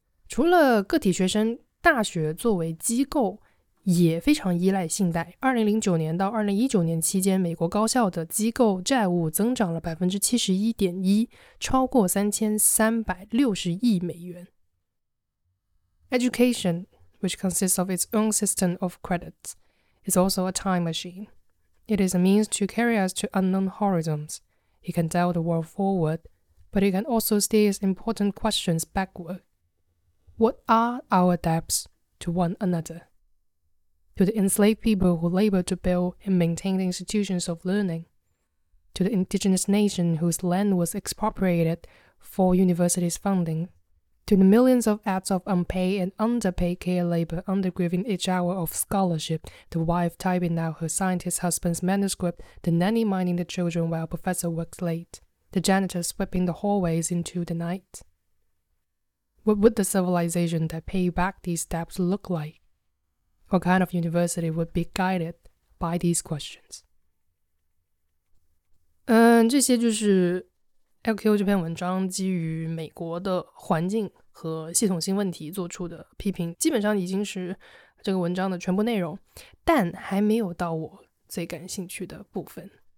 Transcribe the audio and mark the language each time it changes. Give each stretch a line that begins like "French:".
Chinese: 除了个体学生，大学作为机构也非常依赖信贷。 2009年到2019年期间，美国高校的机构债务增长了71.1%，超过3360亿美元。
English: Education, which consists of its own system of credits, is also a time machine. It is a means to carry us to unknown horizons. It can dial the world forward, but it can also steer its important questions backward. What are our debts to one another? To the enslaved people who labor to build and maintain the institutions of learning. To the indigenous nation whose land was expropriated for universities' funding. To the millions of acts of unpaid and underpaid care labor undergiving each hour of scholarship, the wife typing out her scientist husband's manuscript, the nanny minding the children while professor works late, the janitor sweeping the hallways into the night. What would the civilization that paid back these debts look like? What kind of university would be guided by these questions?
Chinese: 这些就是 LQ 这篇文章基于美国的环境和系统性问题做出的批评，基本上已经是这个文章的全部内容，但还没有到我最感兴趣的部分。